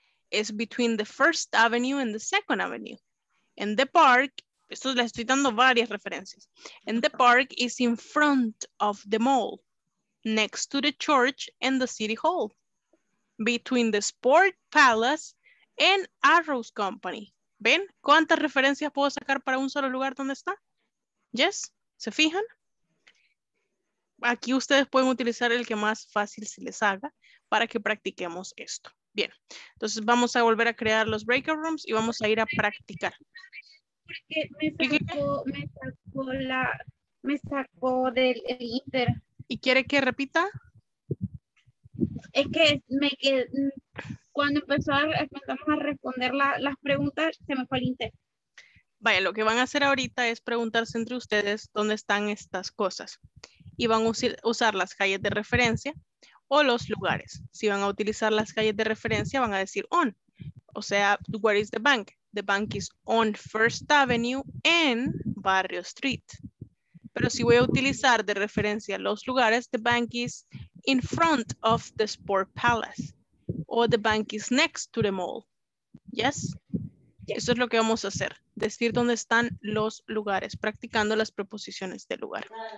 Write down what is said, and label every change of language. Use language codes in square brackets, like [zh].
[en] Is between the First Avenue and the Second Avenue. And the park, [es] esto le estoy dando varias referencias. [en] And the park is in front of the mall, next to the church and the city hall, between the Sport Palace and Arrows Company. [es] ¿Ven? ¿Cuántas referencias puedo sacar para un solo lugar donde está? ¿Yes? ¿Se fijan? Aquí ustedes pueden utilizar el que más fácil se les haga para que practiquemos esto. Bien, entonces vamos a volver a crear los breakout rooms y vamos a ir a practicar. Porque me sacó del Inter. ¿Y quiere que repita? Es que me quedé, cuando empezamos a responder las preguntas, se me fue el Inter. Vaya, lo que van a hacer ahorita es preguntarse entre ustedes dónde están estas cosas. Y van a usar las calles de referencia o los lugares. Si van a utilizar las calles de referencia, van a decir on. O sea, [en] where is the bank? The bank is on First Avenue and Barrio Street. [es] Pero si voy a utilizar de referencia los lugares, [en] the bank is in front of the Sport Palace. O the bank is next to the mall. [es] Yes? Eso es lo que vamos a hacer. Decir dónde están los lugares, practicando las preposiciones de lugar.